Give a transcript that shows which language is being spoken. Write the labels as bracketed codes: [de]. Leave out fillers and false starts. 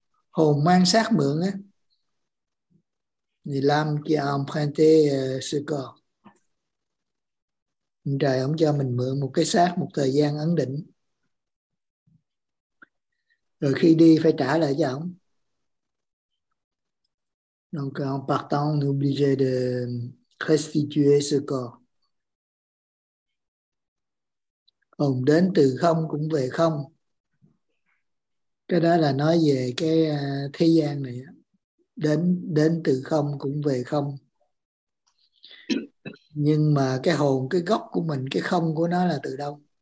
[vi] Hồn mang xác mượn á. Thì làm [fr] qui a emprunté ce corps. [vi] Ông trời ông cho mình mượn một cái xác một thời gian ấn định. Rồi khi đi phải trả lại cho ông. [fr] Donc en partant, on est obligé de restituer ce corps. [vi] Hồn đến từ không cũng về không. Cái đó là nói về cái thế gian này. Đến đến từ không cũng về không. Nhưng mà cái hồn, cái gốc của mình, cái không của nó là từ đâu?